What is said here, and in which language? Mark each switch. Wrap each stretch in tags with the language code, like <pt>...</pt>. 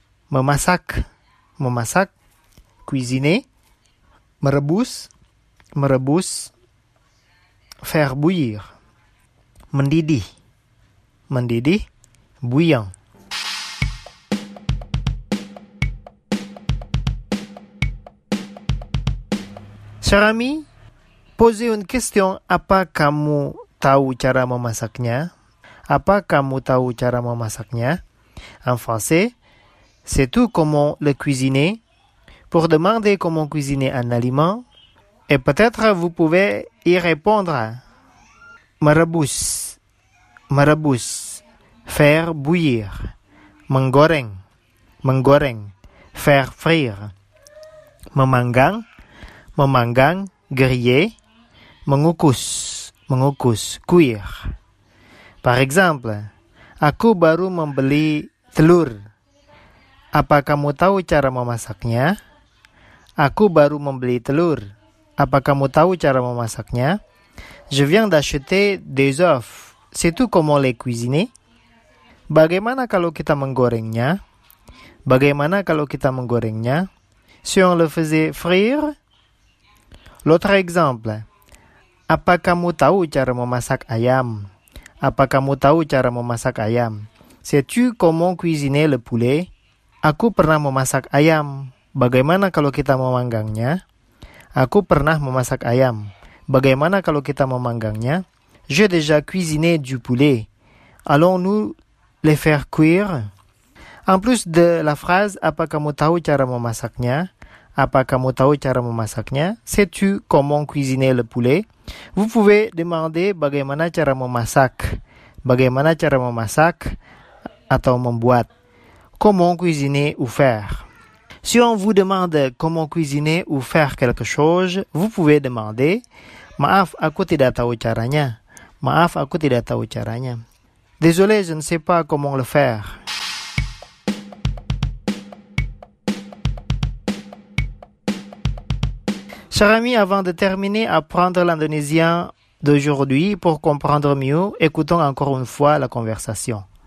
<id>Memasak. Memasak.</id> <fr>Cuisiner.</fr> <id>Merebus. Merebus.</id> <fr>Faire bouillir.</fr> <id>Mendidih. Mendidih.</id> <fr>Bouillant. Cher ami, posez une question.</fr> <id>Apa kamu tahu cara memasaknya? Apa kamu tahu cara memasaknya?</id> <fr>En français, sais-tu comment le cuisiner? Pour demander comment cuisiner un aliment, et peut-être vous pouvez y répondre.</fr> <id>Merebus. Merebus.</id> <fr>Faire bouillir.</fr> <id>Menggoreng. Menggoreng.</id> <fr>Faire frire.</fr> <id>Memanggang. Memanggang,</id> <fr>griller,</fr> <id>mengukus, mengukus,</id> <fr>cuire. Par exemple,</fr> <id>aku baru membeli telur. Apa kamu tahu cara memasaknya? Aku baru membeli telur. Apa kamu tahu cara memasaknya?</id> <fr>Je viens d'acheter des œufs. Sais-tu comment les cuisiner?</fr> <id>Bagaimana kalau kita menggorengnya? Bagaimana kalau kita menggorengnya?</id> <fr>Si on le faisait frire? L'autre exemple.</fr> <id>Apa kamu tahu cara memasak ayam? Apa kamu tahu cara memasak ayam?</id> <fr>Sais-tu comment cuisiner le poulet?</fr> <id>Aku pernah memasak ayam. Bagaimana kalau kita memanggangnya? Aku pernah memasak ayam. Bagaimana kalau kita memanggangnya?</id> <fr>J'ai déjà cuisiné du poulet. Allons-nous les faire cuire? En plus de la phrase</fr> <id>apa kamu tahu cara memasaknya? Apa kamu tahu cara memasaknya?</id> <fr>Sais-tu comment cuisiner le poulet? Vous pouvez demander</fr> <id>bagaimana cara memasak. Bagaimana cara memasak atau membuat.</id> <fr>Comment cuisiner ou faire? Si on vous demande comment cuisiner ou faire quelque chose, vous pouvez demander,</fr> <id>maaf, aku tidak tahu caranya. Maaf, aku tidak tahu caranya.</id> <fr>Désolé, je ne sais pas comment le faire. Cher ami, avant de terminer, apprendre l'indonésien d'aujourd'hui pour comprendre mieux, écoutons encore une fois la conversation.</fr>